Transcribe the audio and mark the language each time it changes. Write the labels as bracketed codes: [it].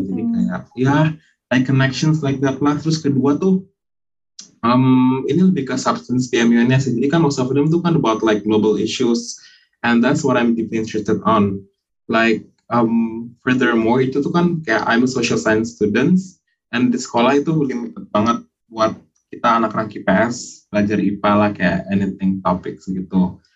[id] Jadi kayak ya [en] like connections like that [id] lah. Terus kedua tuh ini lebih ke substance di MUN-nya sih. Jadi kan [en] most of them [id] tuh kan [en] about like global issues, and that's what I'm deeply interested on. Like furthermore [id] itu tuh kan kayak [en] I'm a social science student, and [id] di sekolah itu limited banget buat kita anak-anak IPS belajar IPA lah, kayak [en] anything topics [id] gitu.